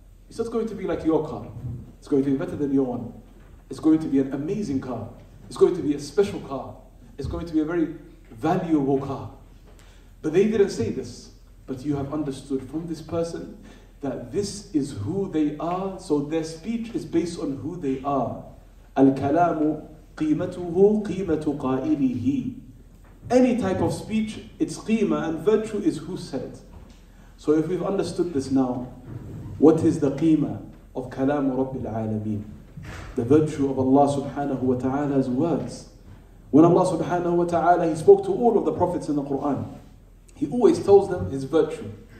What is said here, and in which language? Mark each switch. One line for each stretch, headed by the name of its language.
English: It's not going to be like your car. It's going to be better than your one. It's going to be an amazing car. It's going to be a special car. It's going to be a very valuable car. But they didn't say this. But you have understood from this person that this is who they are. So their speech is based on who they are.
Arabic: الكلام قيمته قيمة قائله.
English: Any type of speech, its قيمة and virtue is who said it. So if we've understood this now, what is the قيمة of
Arabic: كلام رب العالمين?
English: The virtue of Allah subhanahu wa ta'ala's words. When Allah subhanahu wa ta'ala, he spoke to all of the prophets in the Quran, he always tells them his virtue.